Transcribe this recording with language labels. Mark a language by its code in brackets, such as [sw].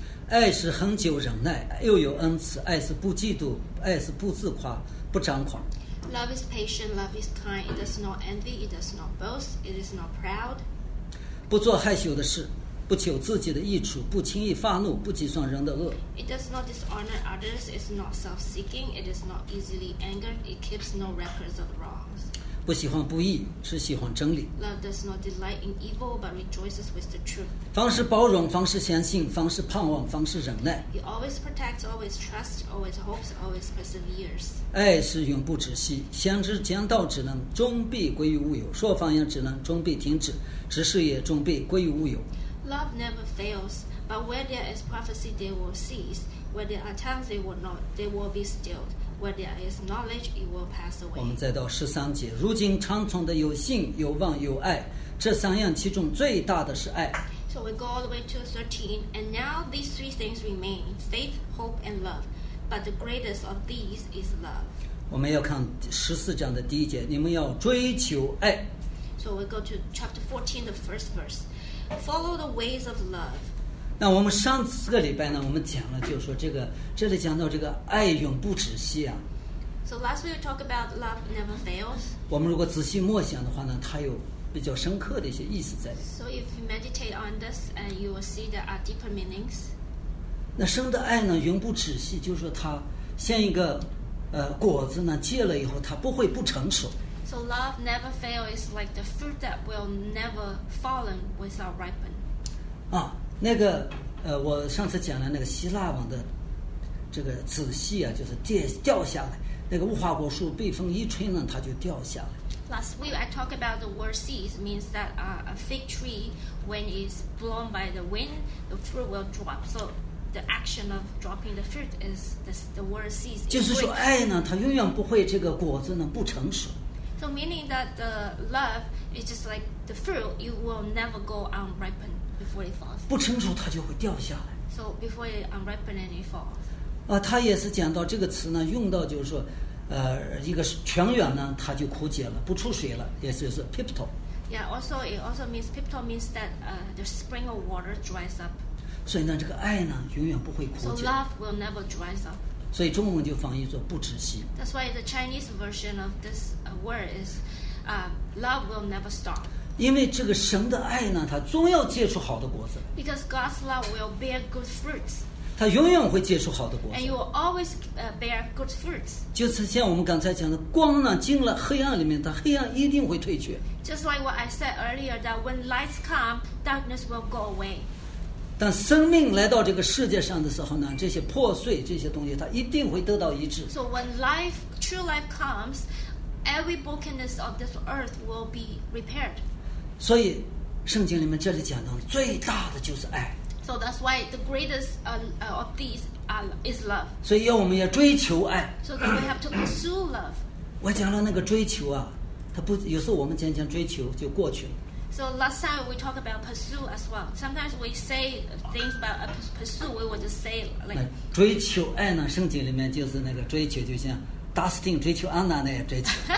[zh] 爱是恒久忍耐，又有恩慈；爱是不嫉妒，爱是不自夸，不张狂。 [en] Love is patient, love is kind. It does not envy, it does not boast, it is not proud. [zh] 不做害羞的事，不求自己的益处，不轻易发怒，不计算人的恶。 [en] It does not dishonor others, it is not self-seeking, it is not easily angered, it keeps no records of wrongs. [zh] 不喜欢不义，只喜欢真理。 [en] Love does not delight in evil, but rejoices with the truth. [zh] 凡事包容，凡事相信，凡事盼望，凡事忍耐。 [en] He always protects, always trusts, always hopes, always perseveres. [zh] 爱是永不止息，先知讲道之能，终必归于无有；说方言之能，终必停止；执事也终必归于无有。 [en] Love never fails, but where there is prophecy, they will cease. Where there are tongues, they will be stilled. Where there is knowledge, it will pass away. [zh] 我们再到十三节，如今常存的有信、有望、有爱，这三样其中最大的是爱。 [en] So we go all the way to 13, and now these three things remain: faith, hope, and love. But the greatest of these is love. [zh] 我们要看十四章的第一节，你们要追求爱。 [en] So we go to chapter 14, the first verse. Follow the ways of love. [zh] 那我们上四个礼拜呢，我们讲了，就是说这个这里讲到这个爱永不止息啊。 [en] So last week we talked about love never fails. [zh] 我们如果仔细默想的话呢，它有比较深刻的一些意思在。 [en] So if you meditate on this, and you will see there are deeper meanings. [zh] 那生的爱呢，永不止息，就是说它像一个果子呢，结了以后它不会不成熟。 [en] So love never fails is like the fruit that will never fallen without ripen. [zh] 啊，那个我上次讲的那个希腊文的这个仔细啊，就是掉下来，那个无花果树被风一吹呢，它就掉下来。 [en] Last week I talked about the word seeds means that a fig tree when it's blown by the wind, the fruit will drop. So the action of dropping the fruit is the word seeds. [zh] 就是说爱呢，它永远不会这个果子呢不成熟。 [en] So meaning that the love is just like the fruit, you will never go unripened before it falls. [zh] 不成熟它就会掉下来。 [en] So before it unripened and it falls. [zh] 啊，他也是讲到这个词呢，用到就是说，一个泉源呢，它就枯竭了，不出水了，也就是 pipto. [en] Yeah, also it also means pipto means that the spring of water dries up. [zh] 所以呢，这个爱呢，永远不会枯竭。 [en] So love will never dry up. [zh] 所以中文就翻译作不止息。 [en] That's why the Chinese version of this word is, love will never stop. [zh] 因为这个神的爱呢，它总要结出好的果子。 [en] Because God's love will bear good fruits. [zh] 它永远会结出好的果子。 [en] And you will always bear good fruits. [zh] 就是像我们刚才讲的，光呢进了黑暗里面，它黑暗一定会退却。 [en] Just like what I said earlier, that when lights come, darkness will go away. [zh] 当生命来到这个世界上的时候呢，这些破碎这些东西它一定会得到医治。 [en] So when life, true life comes, every brokenness of this earth will be repaired. [zh] 所以圣经里面这里讲到最大的就是爱。 [en] So that's why the greatest of these is love. [zh] 所以要我们要追求爱。 [en] So that we have to pursue love. [zh] 我讲了那个追求啊，它不，有时候我们渐渐追求就过去了。 [en] So last time we talked about pursue as well. Sometimes we say things about pursue, we will just say like. [zh] 追求爱呢？圣经里面就是那个追求，就像 Dustin 追求 Anna 那样追求。